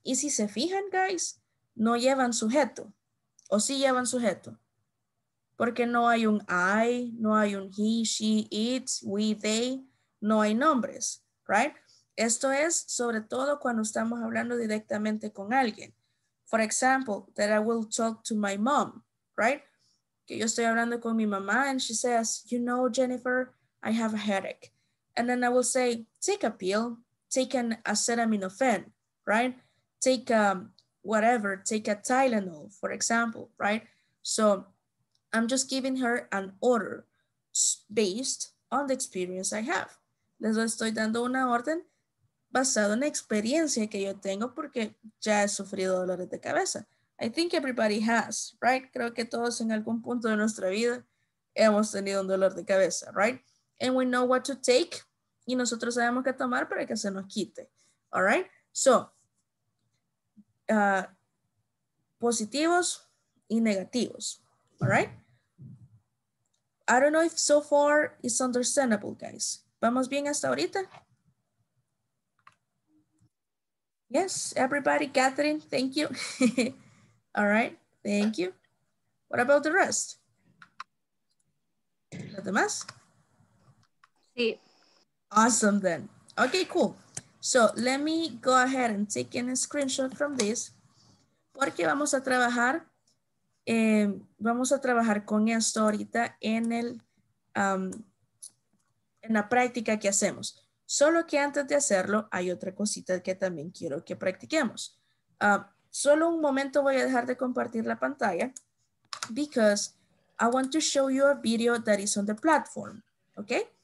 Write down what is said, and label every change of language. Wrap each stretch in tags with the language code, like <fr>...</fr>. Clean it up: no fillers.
<es>Y si se fijan, guys, no llevan sujeto. O sí llevan sujeto. Porque no hay un I, no hay un he, she, it, we, they. No hay nombres, right? Esto es sobre todo cuando estamos hablando directamente con alguien.</es> <en>For example, that I will talk to my mom, right?</en> <es>Que yo estoy hablando con mi mamá</es> <en>and she says, you know, Jennifer, I have a headache. And then I will say, take a pill, take an acetaminophen, right? Take whatever, take a Tylenol, for example, right? So I'm just giving her an order based on the experience I have.</en> <es>Les estoy dando una orden basada en la experiencia que yo tengo porque ya he sufrido dolores de cabeza.</es> <en>I think everybody has, right?</en> <es>Creo que todos en algún punto de nuestra vida hemos tenido un dolor de cabeza, right?</es> <en>And we know what to take.</en> <es>Y nosotros sabemos qué tomar para que se nos quite.</es> <en>All right? So,</en> <es>positivos y negativos.</es> <en>All right? I don't know if so far it's understandable, guys.</en> <es>¿Vamos bien hasta ahorita?</es> <en>Yes, everybody. Catherine, thank you. All right, thank you. What about the rest?</en> <es>¿Los demás? Sí.</es> <en>Awesome then. Okay, cool. So let me go ahead and take a screenshot from this.</en> <es>Porque vamos a trabajar, con esto ahorita en el, en la práctica que hacemos. Solo que antes de hacerlo, hay otra cosita que también quiero que practiquemos. Solo un momento voy a dejar de compartir la pantalla</es> <en>because I want to show you a video that is on the platform, okay?</en>